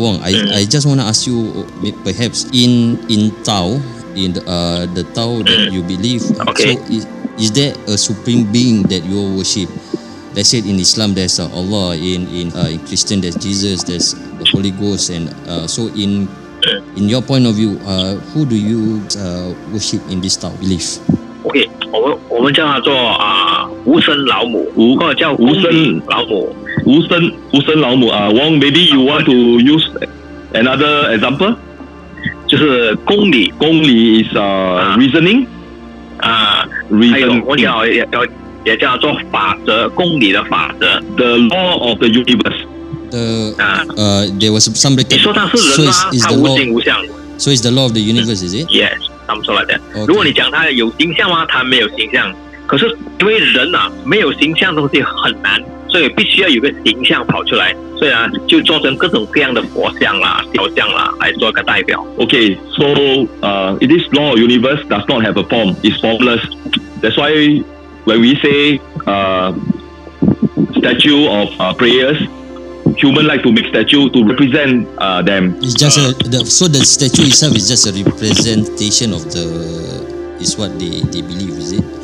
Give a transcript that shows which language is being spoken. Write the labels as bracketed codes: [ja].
[en] Wong, I just want to ask you, perhaps in Tao, in the Tao that you believe, okay. So is there a supreme being that you worship? Let's say in Islam, there's Allah, in Christian, there's Jesus, there's the Holy Ghost. And so in your point of view, who do you worship in this Tao belief? [zh] Okay, 我们叫他做无声老母，或者叫无声老母。 [en] 无声老母啊 ，Wong, maybe you want to use another example? [zh] 就是公理。 [en] 公理 is reasoning. reason. [zh] 我叫做公理的法则 [en] The law of the universe. There was some recap. [zh] 你说它是人吗？它无形无相。 [en] So it's the law of the universe, is it? Yes, something like that. Okay. [zh] 如果你讲它有形象吗？它没有形象。可是因为人啊，没有形象的东西很难，所以必须要有个形象跑出来，所以啊，就做成各种各样的佛像啦、雕像啦来做个代表。 [en] Okay, so this law of universe does not have a form. It's formless. That's why when we say statue of prayers, human like to make statue to represent them. It's just the statue itself is just a representation of the is what they believe, is it?